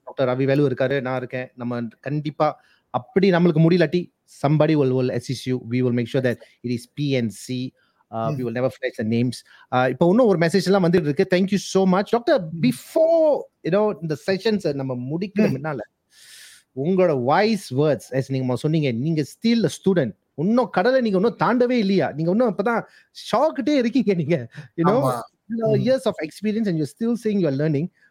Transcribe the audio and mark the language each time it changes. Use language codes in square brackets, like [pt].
[ta] Doctor Ravi Velu இருக்காரு, நான் இருக்கேன். நம்ம கண்டிப்பா அப்படி நம்மளுக்கு முடியலாட்டி [en] Somebody will assist you. We will make sure that it is PNC. We will never forget the names. [ta] இப்போ இன்னும் ஒரு மெசேஜ் எல்லாம் வந்துட்டு இருக்கு. Thank you so much doctor. Before you know இந்த செஷன்ஸ் நம்ம முடிக்கிற முன்னால, உங்களோட வாய்ஸ் வேர்ட்ஸ் எஸ் நீங்க சொன்னீங்க, நீங்க [en] still a student, [ta] இன்னும் கடலை நீங்க ஒன்றும் தாண்டவே இல்லையா, நீங்க இன்னும் இப்பதான் ஷாக்கிட்டே இருக்கீங்க, நீங்க you know [en] years of experience and you're still saying you're learning.